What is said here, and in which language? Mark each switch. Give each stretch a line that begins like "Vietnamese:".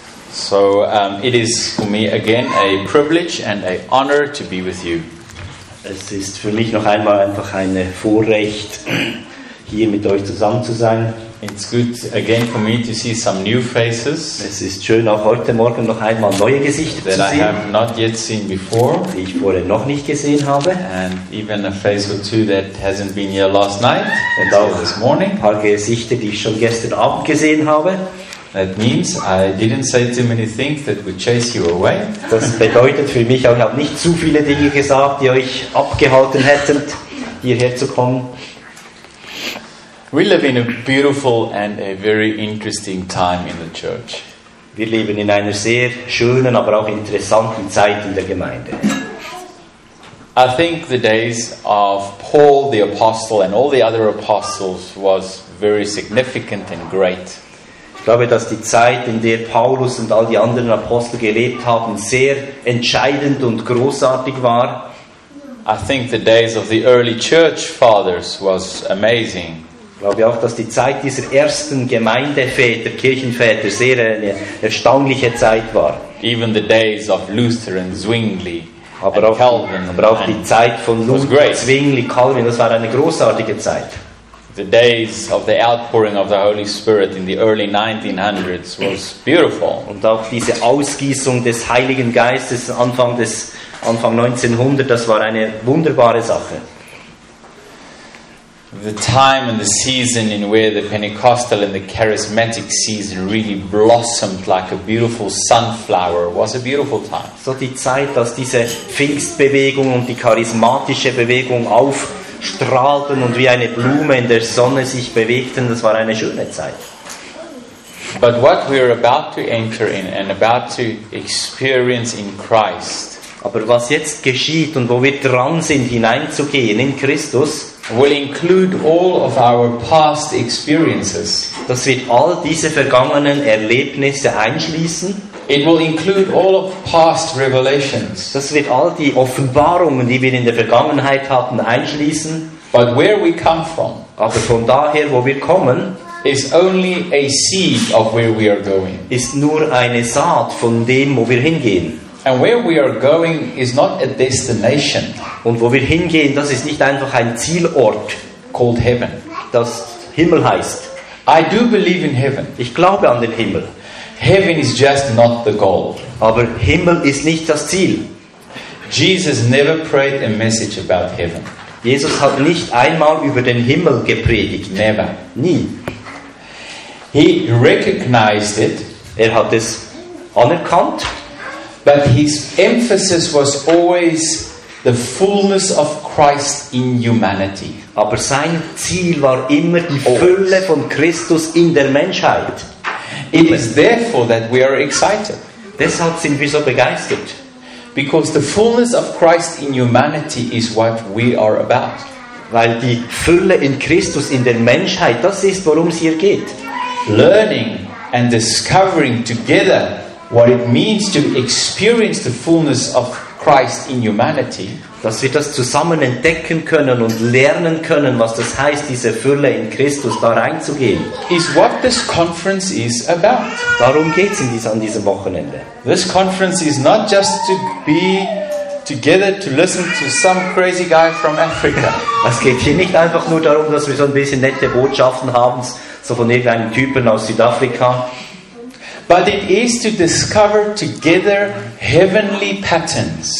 English: So it is for me again a privilege and an honor to be with you.
German: Es ist für mich noch einmal einfach ein Vorrecht, hier mit euch zusammen zu sein.
English: It's good again for me to see some new faces.
German: Es ist schön, auch heute Morgen noch einmal neue Gesichter zu sehen.
English: That I have not yet seen before.
German: Die ich vorher noch nicht gesehen habe.
English: And even a face or two that hasn't been here last night.
German: Und auch
English: this morning.
German: Ein paar Gesichter, die ich schon gestern Abend gesehen habe.
English: That means I didn't say too many things that would chase you away.
German: Das bedeutet für mich auch, ich habe nicht zu viele Dinge gesagt, die euch abgehalten hätten, hierher zu kommen.
English: We live in a beautiful and a very interesting time in the church.
German: Wir leben in einer sehr schönen, aber auch interessanten Zeit in der Gemeinde.
English: I think the days of Paul the apostle and all the other apostles was very significant and great.
German: Ich glaube, dass die Zeit, in der Paulus und all die anderen Apostel gelebt haben, sehr entscheidend und großartig war.
English: I think the days of the early church fathers was amazing.
German: Ich glaube auch, dass die Zeit dieser ersten Gemeindeväter, Kirchenväter, sehr eine erstaunliche Zeit war.
English: Even the days of Luther and Zwingli.
German: Aber auch,
English: Calvin,
German: aber auch die Zeit von Luther, Zwingli, Calvin, das war eine großartige Zeit.
English: The days of the outpouring of the Holy Spirit in the early 1900s was beautiful.
German: Und auch diese Ausgießung des Heiligen Geistes Anfang 1900, das war eine wunderbare Sache.
English: The time and the season in where the Pentecostal and the charismatic season really blossomed like a beautiful sunflower was a beautiful time.
German: So die Zeit, dass diese Pfingstbewegung und die charismatische Bewegung auf strahlten und wie eine Blume in der Sonne sich bewegten, das war eine schöne Zeit.
English: But what we are about to enter in and about to experience in Christ.
German: Aber was jetzt geschieht und wo wir dran sind hineinzugehen in Christus,
English: will include all of our past experiences.
German: Das wird all diese vergangenen Erlebnisse einschließen.
English: It will include all of past revelations.
German: Das wird all die Offenbarungen, die wir in der Vergangenheit hatten, einschließen.
English: But where we come from,
German: aber von daher, wo wir kommen,
English: is only a seed of where we are going.
German: Ist nur eine Saat von dem, wo wir hingehen.
English: And where we are going is not a destination.
German: Und wo wir hingehen, das ist nicht einfach ein Zielort,
English: called heaven.
German: Das Himmel heißt.
English: I do believe in heaven.
German: Ich glaube an den Himmel.
English: Heaven is just not the goal.
German: Aber Himmel ist nicht das Ziel.
English: Jesus never prayed a message about heaven.
German: Jesus hat nicht einmal über den Himmel gepredigt.
English: Never.
German: Nie.
English: He recognized it.
German: Er hat es anerkannt.
English: But his emphasis was always the fullness of Christ in humanity.
German: Aber sein Ziel war immer die Fülle von Christus in der Menschheit.
English: It is therefore that we are excited.
German: Deshalb sind wir so begeistert.
English: Because the fullness of Christ in humanity is what we are about.
German: Weil die Fülle in Christus in der Menschheit, das ist, worum es hier geht.
English: Learning and discovering together what it means to experience the fullness of Christ in humanity.
German: Dass wir das zusammen entdecken können und lernen können, was das heißt, diese Fülle in Christus da reinzugehen.
English: Is what this conference is about.
German: Darum geht's an diesem Wochenende.
English: This conference is not just to be together to listen to some crazy guy from Africa.
German: Es geht hier nicht einfach nur darum, dass wir so ein bisschen nette Botschaften haben, so von irgendeinem Typen aus Südafrika.
English: But it is to discover together heavenly patterns.